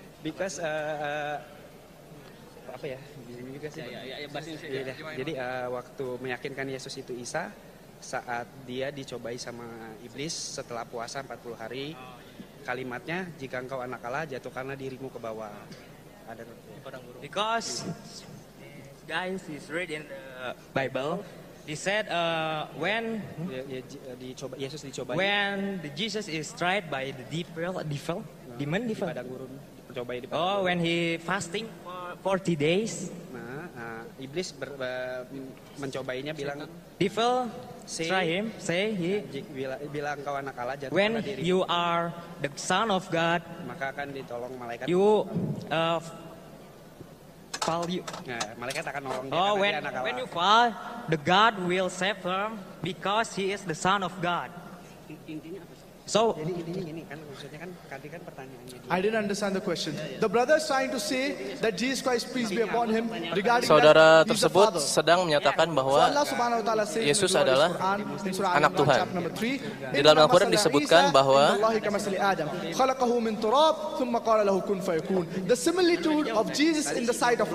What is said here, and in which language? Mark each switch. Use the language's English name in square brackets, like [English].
[Indonesian] Because, apa ya? Bingung juga sih. Jadi waktu meyakinkan Yesus itu Isa, saat dia dicobai sama iblis setelah puasa 40 hari, kalimatnya, jika engkau anak Allah, jatuhkanlah dirimu ke bawah. [English] Ada because guys is read in the Bible, he said when [Indonesian] Yesus dicoba, [English] when the Jesus is tried by the demon, [Indonesian] di padang gurun, dicobai di padang gurun. [English] Oh, when he fasting for 40 days, [Indonesian] iblis mencobainya bilang, [English] devil try him, say he [Indonesian] bilang kau anak Allah, jatuhkan [English] when [Indonesian] diri. [English] You are the son of God, [Indonesian] maka akan ditolong malaikat. [English] You fall you. [Indonesian] Nah, malaikat akan nolong dia. [English] Oh, when [Indonesian] dia anak Allah. [English] When you fall, the God will save him because he is the son of God. [Indonesian] Intinya apa? [English] So, I didn't understand the question. The brother is trying to say that Jesus Christ, peace be upon him, regarding [Indonesian] saudara [English] that he's [Indonesian] tersebut [English] the father. [Indonesian] Sedang menyatakan bahwa Yesus adalah anak Tuhan. Di dalam Al-Quran disebutkan bahwa [Arabic] khalaqahu min turab thumma qala lahu kun fayakun. [English] The similitude of Jesus in the sight of